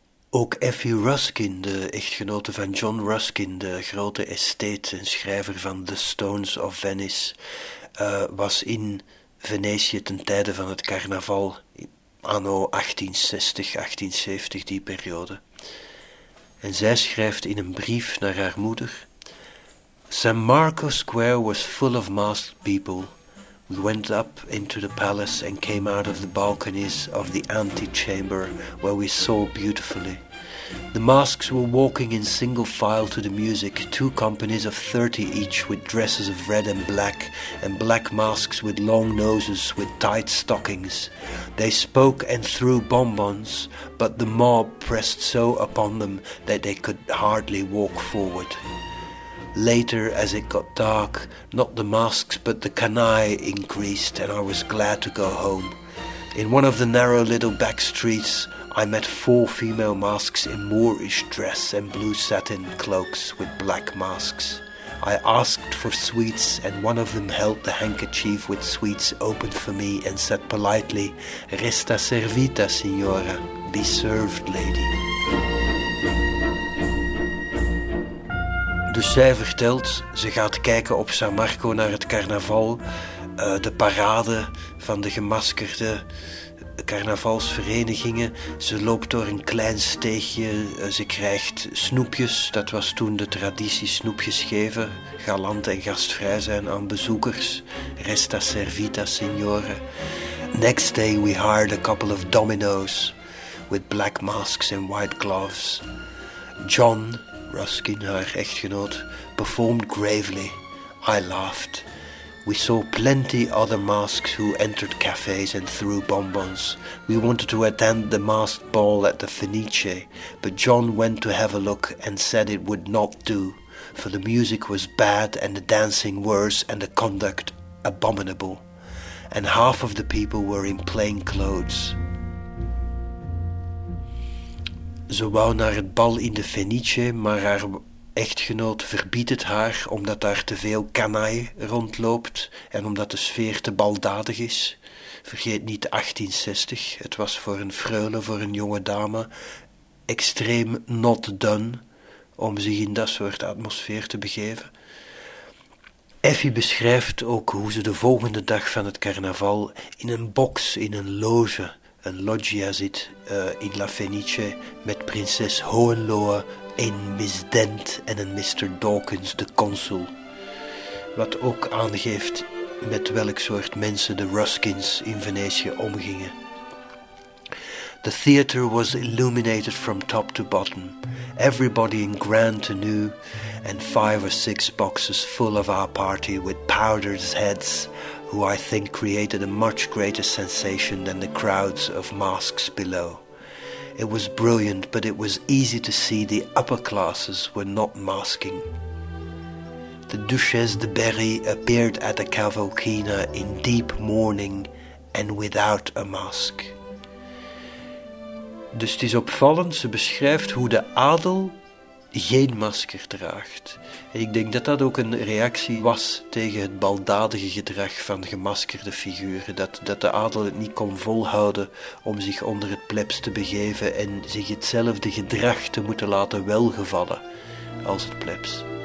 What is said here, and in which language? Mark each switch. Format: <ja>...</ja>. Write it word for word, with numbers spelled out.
<nl>Ook Effie Ruskin, de echtgenote van John Ruskin, de grote estheet en schrijver van The Stones of Venice, uh, was in Venetië ten tijde van het carnaval, anno achttien zestig, achttien zeventig, die periode. En zij schrijft in een brief naar haar moeder:</nl> <en>San Marco Square was full of masked people. We went up into the palace and came out of the balconies of the antechamber where we saw beautifully. The masks were walking in single file to the music, two companies of thirty each with dresses of red and black, and black masks with long noses with tight stockings. They spoke and threw bonbons, but the mob pressed so upon them that they could hardly walk forward. Later, as it got dark, not the masks but the canaille increased, and I was glad to go home. In one of the narrow little back streets, I met four female masks in Moorish dress and blue satin cloaks with black masks. I asked for sweets, and one of them held the handkerchief with sweets open for me and said politely,</en> <it>"Resta servita, signora,"</it> <en>"Be served, lady."</en> <nl>Dus zij vertelt, ze gaat kijken op San Marco naar het carnaval, uh, de parade van de gemaskerde carnavalsverenigingen. Ze loopt door een klein steegje, uh, ze krijgt snoepjes. Dat was toen de traditie, snoepjes geven, galant en gastvrij zijn aan bezoekers.</nl> <it>Resta servita, signore.</it> <en>Next day we hired a couple of dominoes with black masks and white gloves. John Ruskin,</en> <nl>haar echtgenoot,</nl> <en>performed gravely. I laughed. We saw plenty other masks who entered cafes and threw bonbons. We wanted to attend the masked ball at the Fenice, but John went to have a look and said it would not do, for the music was bad and the dancing worse and the conduct abominable, and half of the people were in plain clothes.</en> <nl>Ze wou naar het bal in de Fenice, maar haar echtgenoot verbiedt het haar omdat daar te veel canaille rondloopt en omdat de sfeer te baldadig is. Vergeet niet achttien zestig, het was voor een freule, voor een jonge dame, extreem not done om zich in dat soort atmosfeer te begeven. Effie beschrijft ook hoe ze de volgende dag van het carnaval in een box, in een loge, een loggia zit uh, in La Fenice met prinses Hohenlohe, een Miss Dent en een mister Dawkins, de consul. Wat ook aangeeft met welk soort mensen de Ruskins in Venetië omgingen.</nl> <en>The theater was illuminated from top to bottom. Everybody in grand tenue and five or six boxes full of our party with powdered heads, who I think created a much greater sensation than the crowds of masks below. It was brilliant, but it was easy to see the upper classes were not masking. The Duchesse de Berry appeared at the Cavalcina in deep mourning and without a mask.</en> <nl>Dus het is opvallend, ze beschrijft hoe de adel geen masker draagt. En ik denk dat dat ook een reactie was tegen het baldadige gedrag van gemaskerde figuren. Dat, dat de adel het niet kon volhouden om zich onder het plebs te begeven en zich hetzelfde gedrag te moeten laten welgevallen als het plebs.</nl>